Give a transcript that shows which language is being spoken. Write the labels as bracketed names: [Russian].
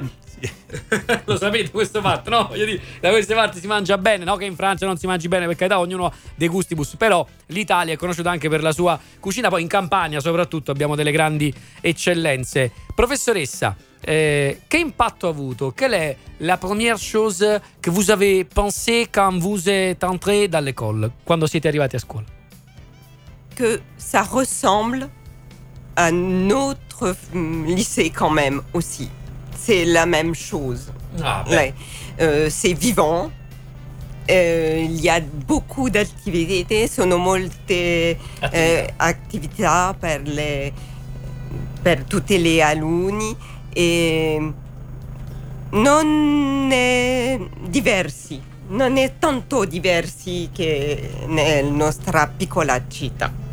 [Italian] sì. Lo sapete questo fatto, no? Voglio dire, da queste parti si mangia bene, no? Che in Francia non si mangi bene, perché da ognuno ha dei gustibus, però l'Italia è conosciuta anche per la sua cucina, poi in Campania soprattutto abbiamo delle grandi eccellenze. Professoressa, che impatto ha avuto? Qual è [French] la première chose que vous avez pensé quand vous êtes entré dans l'école, [Italian] quando siete arrivati a scuola? [French] Que ça ressemble à notre lycée quand même aussi. C'est la même chose. Ah, ouais. C'est vivant. Il y a beaucoup d'activités. [Italian] Sono molte attività per tutti gli alunni. E non è diversi, non è tanto diversi che nella nostra piccola città.